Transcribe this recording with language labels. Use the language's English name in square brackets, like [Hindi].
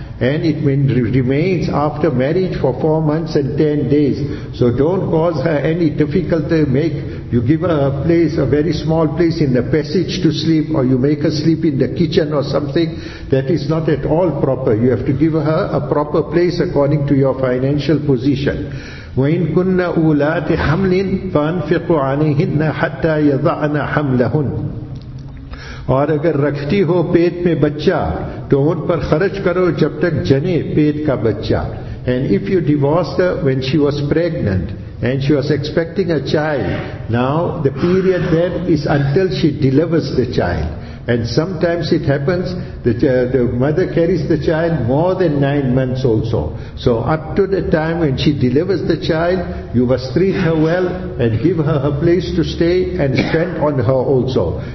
[English] And it remains after marriage for 4 months and 10 days. So don't cause her any difficulty. You give her a place, a very small place in the passage to sleep, or you make her sleep in the kitchen or something. That is not at all proper. You have to give her a proper place according to your financial position. [Arabic] وَإِنْ كُنَّ أُولَاتِ حَمْلٍ فَأَنْفِقُوا عَلَيْهِنَّ حَتَّى يَضَعْنَ حَمْلَهُنَّ [Urdu] اور اگر رکھتی ہو پیٹ میں بچہ تو ان پر خرچ کرو جب تک جنے پیٹ کا بچہ. [English] And if you divorced her when she was pregnant and she was expecting a child, now the period then is until she delivers the child. And sometimes it happens that the mother carries the child more than 9 months also. So up to the time when she delivers the child, you must treat her well and give her her place to stay and spend on her also.